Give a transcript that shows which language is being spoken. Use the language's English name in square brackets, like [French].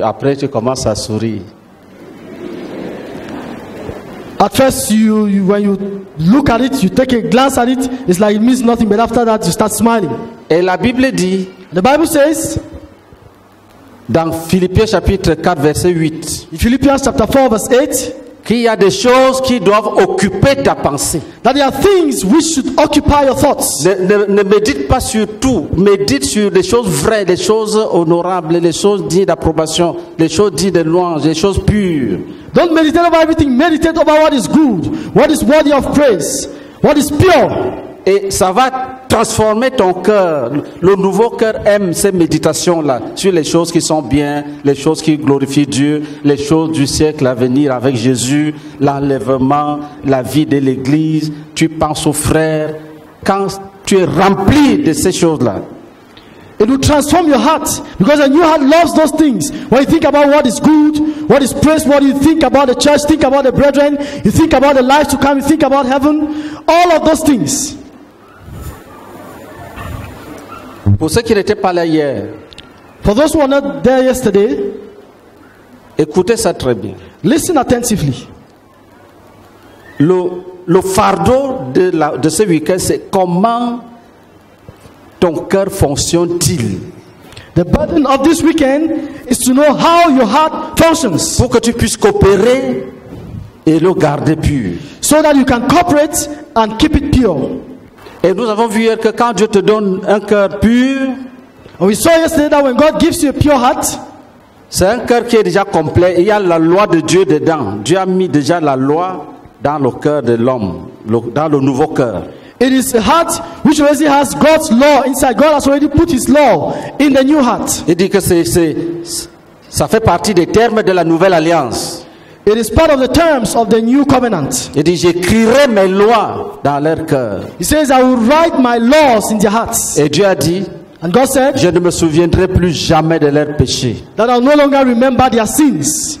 [French] Après, tu commences à sourire. [English] At first, you when you look at it, you take a glance at it. It's like it means nothing. But after that, you start smiling. [French] Et la Bible dit. [English] The Bible says. [French] Dans Philippiens chapitre 4 verset 8. [English] In Philippians chapter 4 verse 8. [French] Qu'il y a des choses qui doivent occuper ta pensée. [English] That there are things which should occupy your thoughts. [French] Ne médite pas sur tout. Médite sur les choses vraies, les choses honorables, les choses dignes d'approbation, les choses dignes de louange, les choses pures. [English] Don't meditate over everything. Meditate over what is good, what is worthy of praise, what is pure. [French] Et ça va transformer ton cœur. Le nouveau cœur aime ces méditations-là sur les choses qui sont bien, les choses qui glorifient Dieu, les choses du siècle à venir avec Jésus, l'enlèvement, la vie de l'Église. Tu penses aux frères. Quand tu es rempli de ces choses-là, [English] it will transform your heart because a new heart loves those things. When you think about what is good, what is praiseworthy, what you think about the church, think about the brethren, you think about the life to come, you think about heaven, all of those things. [French] Pour ceux qui n'étaient pas là hier, [English] for those who were not there yesterday, [French] écoutez ça très bien. [English] Listen attentively. [French] Le fardeau de ce week-end, c'est comment ton cœur fonctionne-t-il? [English] The burden of this weekend is to know how your heart functions. [French] Pour que tu puisses coopérer et le garder pur. [English] So that you can cooperate and keep it pure. [French] Et nous avons vu hier que quand Dieu te donne un cœur pur, [English] we saw yesterday that when God gives you a pure heart, [French] c'est un cœur qui est déjà complet. Il y a la loi de Dieu dedans. Dieu a mis déjà la loi dans le cœur de l'homme, dans le nouveau cœur. [English] It is a heart which already has God's law inside. God has already put His law in the new heart. [French] Il dit que ça fait partie des termes de la nouvelle alliance. [English] It is part of the terms of the new covenant. [French] Il dit j'écrirai mes lois dans leur cœur. [English] He says I will write my laws in their hearts. [French] Et Dieu a dit. [English] And God said. [French] Je ne me souviendrai plus jamais de leurs péchés. [English] That I will no longer remember their sins.